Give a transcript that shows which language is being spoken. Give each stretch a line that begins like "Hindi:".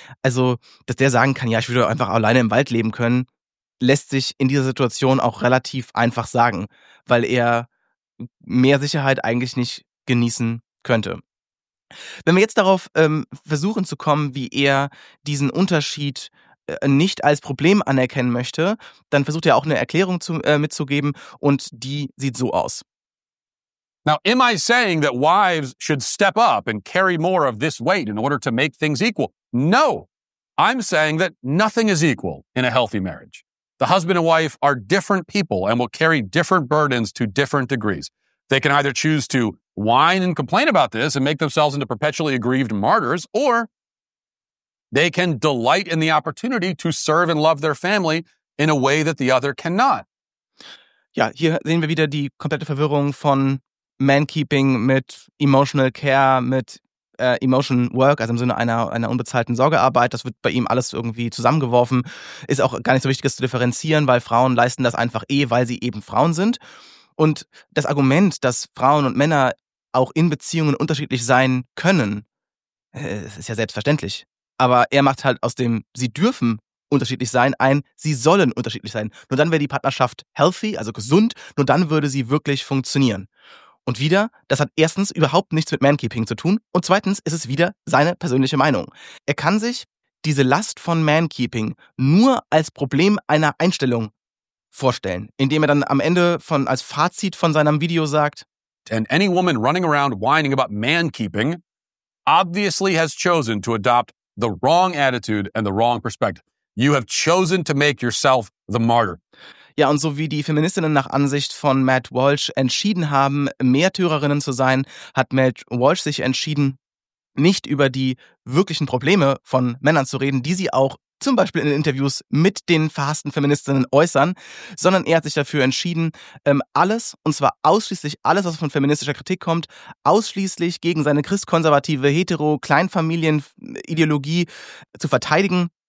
German: Also, dass der sagen kann, ja, ich würde einfach alleine im Wald leben können, lässt sich in dieser Situation auch relativ einfach sagen, weil er mehr Sicherheit eigentlich nicht genießen könnte. Wenn wir jetzt darauf versuchen zu kommen, wie er diesen Unterschied nicht als Problem anerkennen möchte, dann versucht er auch eine Erklärung mitzugeben und die sieht so aus.
English: Now, am I saying that wives should step up and carry more of this weight in order to make things equal? No, I'm saying that nothing is equal in a healthy marriage. The husband and wife are different people and will carry different burdens to different degrees. They can either choose to whine and complain about this and make themselves into perpetually aggrieved martyrs, or they can delight in the opportunity to serve and love their family in a way that the other cannot.
German: Ja, hier sehen wir wieder die komplette Verwirrung von Mankeeping mit emotional care, mit Emotion Work, also im Sinne einer unbezahlten Sorgearbeit, das wird bei ihm alles irgendwie zusammengeworfen, ist auch gar nicht so wichtig, das zu differenzieren, weil Frauen leisten das einfach weil sie eben Frauen sind. Und das Argument, dass Frauen und Männer auch in Beziehungen unterschiedlich sein können, ist ja selbstverständlich. Aber er macht halt aus dem, sie dürfen unterschiedlich sein, ein, sie sollen unterschiedlich sein. Nur dann wäre die Partnerschaft healthy, also gesund, nur dann würde sie wirklich funktionieren. Und wieder, das hat erstens überhaupt nichts mit Mankeeping zu tun und zweitens ist es wieder seine persönliche Meinung. Er kann sich diese Last von Mankeeping nur als Problem einer Einstellung vorstellen, indem er dann am Ende von als Fazit von seinem Video sagt:
English: And any woman running around whining about mankeeping obviously has chosen to adopt the wrong attitude and the wrong perspective. You have chosen to make yourself the martyr.
German: Ja, und so wie die Feministinnen nach Ansicht von Matt Walsh entschieden haben, Märtyrerinnen zu sein, hat Matt Walsh sich entschieden, nicht über die wirklichen Probleme von Männern zu reden, die sie auch zum Beispiel in den Interviews mit den verhassten Feministinnen äußern, sondern er hat sich dafür entschieden, alles, und zwar ausschließlich alles, was von feministischer Kritik kommt, ausschließlich gegen seine christkonservative, hetero, Kleinfamilienideologie zu verteidigen.